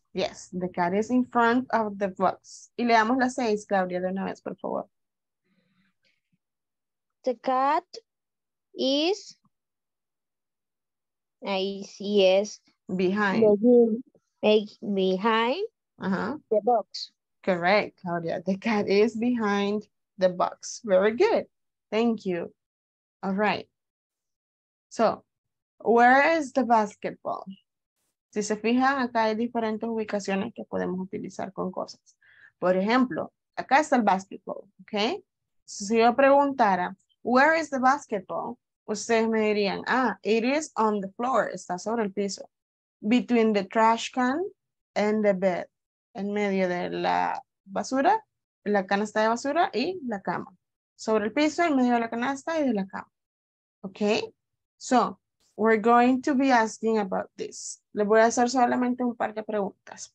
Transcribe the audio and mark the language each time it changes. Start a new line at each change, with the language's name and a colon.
English: Yes, the cat is in front of the box.
Spanish: Y leamos las seis, Claudia, de una vez, por favor.
English: The cat is. I see, yes. Behind. Behind. The box. Correct, Claudia. The cat is behind the box. Very good. Thank you. All right. So, where is the basketball?
Spanish: Si se fijan, acá hay diferentes ubicaciones que podemos utilizar con cosas. Por ejemplo, acá está el basketball, okay? Si yo preguntara,
English: where is the basketball?
Spanish: Ustedes me dirían, ah,
English: it is on the floor.
Spanish: Está sobre el piso.
English: Between the trash can and the bed.
Spanish: En medio de la basura, la canasta de basura y la cama. Sobre el piso, en medio de la canasta y de la cama.
English: Okay? So, we're going to be asking about this.
Spanish: Le voy a hacer solamente un par de preguntas.